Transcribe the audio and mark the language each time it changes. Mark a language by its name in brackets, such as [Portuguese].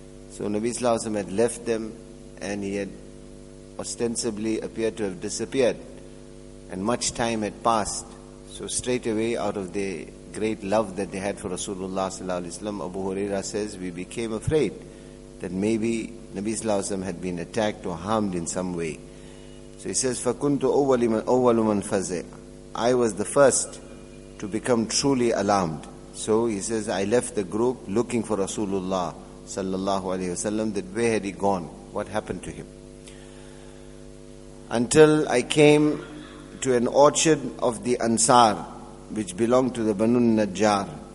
[English] So Nabi sallallahu alayhi wa sallam had left them and he had ostensibly appeared to have disappeared and much time had passed. So straight away, out of the great love that they had for Rasulullah sallallahu alayhi wa sallam, Abu Huraira says, we became afraid that maybe Nabi sallallahu alayhi wa sallam had been attacked or harmed in some way. So he says, [Arabic] فَكُنْتُ أَوَّلُ مَنْ فَزِعْ. [English] I was the first to become truly alarmed. So he says, I left the group looking for Rasulullah sallallahu alayhi wa sallam, that where had he gone? What happened to him? Until I came to an orchard of the Ansar, which belonged to the Banu Najjar.